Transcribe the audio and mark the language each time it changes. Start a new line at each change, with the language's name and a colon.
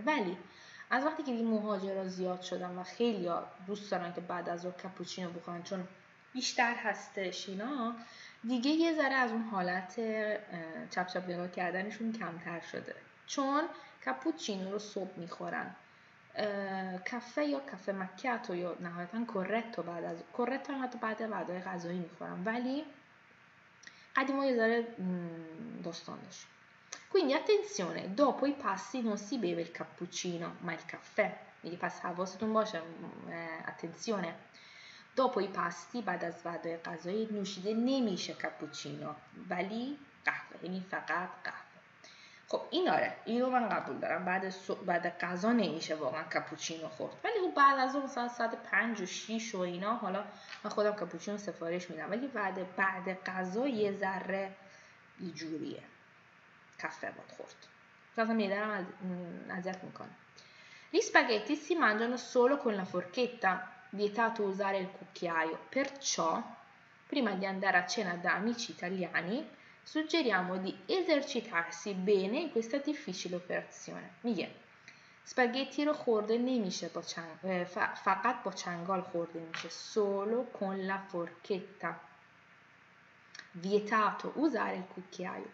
Persian: ولی از وقتی که مهاجرا زیاد شدن و خیلی ها دوست دارن که بعد از ظهر کاپوچینو بخورن چون بیشتر هستش اینا، دیگه یه ذره از اون حالت چپ چپ نگاه کردنشون کمتر شده، چون کاپوچینو رو صبح میخورن. کافه یا کافه مکیاتو یا نهایتا کورتو بعد از کورتو هم حتی بعد وعده غذایی میخورم، ولی قدیمو یه ذره داستانش.
Italian: Quindi attenzione, dopo i pasti non si beve il cappuccino, ma il caffè.
Persian: Quindi pas havasetun bashe, attenzione.
Italian: Dopo i pasti
Persian: بعد از وعده غذایی نوشیده نمیشه کاپوچینو، ولی قهوه، یعنی فقط قهوه. خب این آره، این رو من قبول دارم، بعد قضا نمیشه واقعا کپوچینو خورد، ولی خب بعد از اون مثلا ساعت 5 و 6 و اینا، حالا من خودم کپوچینو سفارش میدم، ولی بعد قضا یه ذره یه جوریه کافه باید خورد، مثلا میدارم اذیت میکنه.
Italian: Gli spaghetti si mangiano solo con la forchetta, vietato usare il cucchiaio, perciò prima di andare a cena da amici italiani suggeriamo di esercitarsi bene in questa difficile operazione.
Persian: میگه spaghetti رو خورده نمیشه با فقط با چنگال خورده میشه،
Italian: solo con la forchetta. Vietato usare il cucchiaio.